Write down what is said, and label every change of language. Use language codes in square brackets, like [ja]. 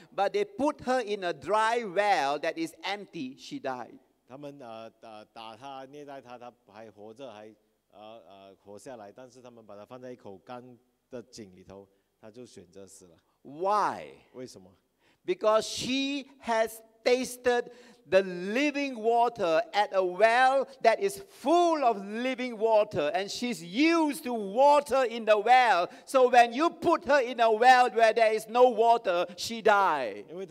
[en] But they put her in a dry well that is empty, she died. [zh] 他们打她，虐待她，她还活着，还活下来，但是他们把她放在一口干的井里头，她就选择死了。 [en] Why? [zh] 为什么？ [en] Because she has tasted the living water at a well that is full of living water, and she's used to water in the well. So when you put her in a well where there is no water, she died.